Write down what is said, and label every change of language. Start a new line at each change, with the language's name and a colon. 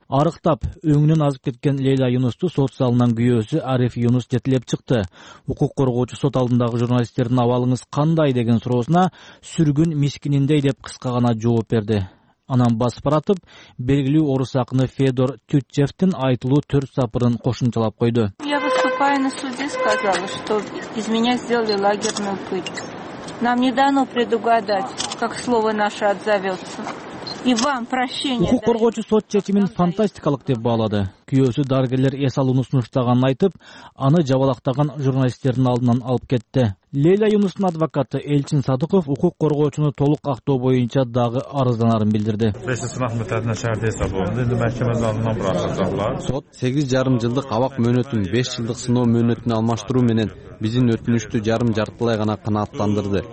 Kyrgyz: Арыктап, өңүнөн азып кеткен Лейла Юнусту сот залынан күйөөсү Ариф Юнус жетелеп чыкты. Укук коргоочу сот алдындагы журналисттердин абалыңыз кандай деген суроосуна сүргүн мискининдей деп кыска гана жооп берди. Анан басып баратып, белгилүү орус акыны Федор Тютчевтин айтылуу 4 сапырын кошумчалап койду.
Russian: Я выступаю на суде, сказала, что из меня сделали лагерную пыль. Нам не дано предугадать, как слово наше отзовется.
Kyrgyz: Укук коргоочу сот чечимин фантастикалык деп баалады. күйөөсү дарыгерлер эс алууну сунуштаганын айтып, аны жабалактаган журналисттердин алдынан алып кетти. Лейла Юнустун адвокаты Элчин Садыков укук коргоочуну толук актоо боюнча дагы арызданарын билдирди. Сот 8.5 жылдык абак мөөнөтүн 5 жылдык сыноо мөөнөтүнө алмаштыруу менен биздин өтүнүчтү жарым-жартылай гана канааттандырды.